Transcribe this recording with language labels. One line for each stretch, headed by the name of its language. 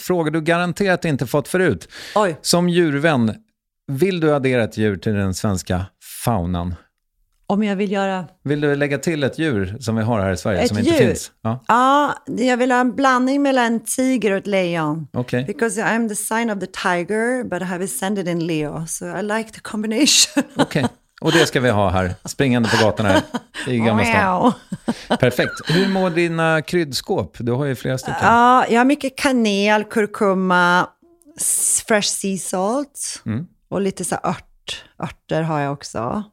Swedish: Frågor du garanterat inte fått förut. Oj. Som djurvän, vill du addera ett djur till den svenska faunan? Om jag vill göra... Vill du lägga till ett djur som vi har här i Sverige ett som djur? Inte finns? Ja, jag vill ha en blandning mellan en tiger och ett lejon. Okay.
English: Because I'm the sign of the tiger, but I have ascended in Leo. So I like the combination.
Swedish: Okej. Okay. Och det ska vi ha här, springande på gatan här i Gamla stan. Perfekt. Hur mår dina kryddskåp? Du har ju flera stycken. Ja, jag har mycket kanel, kurkuma,
English: fresh sea salt
Swedish: och lite så örter har jag också.